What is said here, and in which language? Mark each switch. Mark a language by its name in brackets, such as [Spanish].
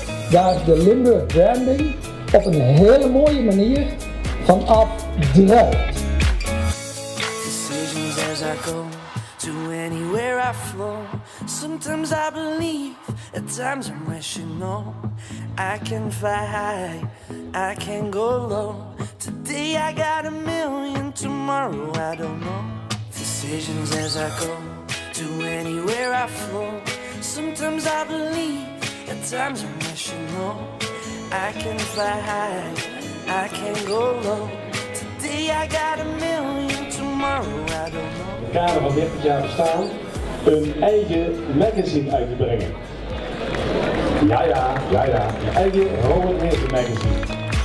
[Dutch] daar is de Limburg branding op een hele mooie manier vanaf druk. [English] Decisions as I go to anywhere I flow. Sometimes I believe, at times I'm wishing no. I can fly high, I can go low. Today I got a million, tomorrow I don't know. Decisions as I go to anywhere I flow. Sometimes I believe, at times I'm wishing no. I can fly high, I can go low. Today I got a million, tomorrow I don't know. [Dutch] In het kader van 30 jaar bestaan, een eigen magazine uit te brengen. Ja, ja, ja, ja. Een eigen Robert Heerlen magazine.